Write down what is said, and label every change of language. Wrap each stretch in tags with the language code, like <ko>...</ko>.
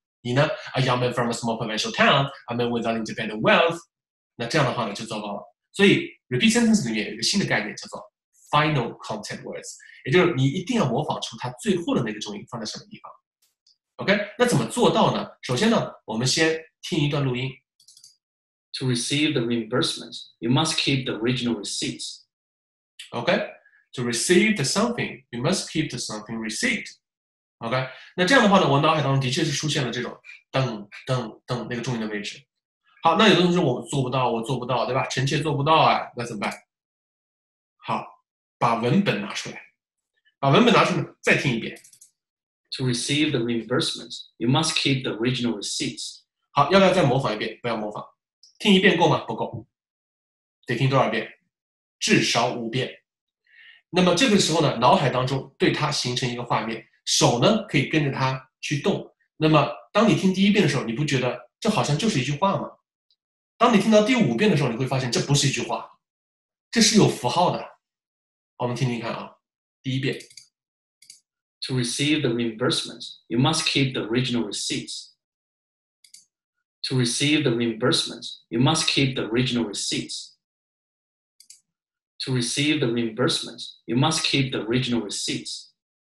<zh>你呢？</zh> <en>A young man from a small provincial town, a man without independent wealth。</en> <zh>那这样的话呢，就糟糕了。所以 repeat sentence 里面有一个新的概念，叫做 final content words，也就是你一定要模仿出它最后的那个重音放在什么地方。 OK，那怎么做到呢？首先呢，我们先听一段录音。</zh> <en>To receive the reimbursement, you must keep the original receipt. OK，to receive the something, you must keep the something receipt。</en> <zh>OK，那这样的话呢，我脑海当中的确是出现了这种噔噔噔那个重音的位置。好，那有的同学我做不到，我做不到，对吧？臣妾做不到啊，那怎么办？好，把文本拿出来，把文本拿出来，再听一遍。</zh> <en>To receive the reimbursement, you must keep the original receipts.</en> <zh>好，要不要再模仿一遍？不要模仿，听一遍够吗？不够，得听多少遍？至少5遍。那么这个时候呢，脑海当中对它形成一个画面。手呢可以跟着它去动，那么当你听第一遍的时候，你不觉得这好像就是一句话吗？当你听到第五遍的时候，你会发现这不是一句话，这是有符号的。我们听听看啊，第一遍。</zh> <en>To receive the reimbursement, you must keep the original receipts. To receive the reimbursement, you must keep the original receipts. To receive the reimbursement, you must keep the original receipts.</en>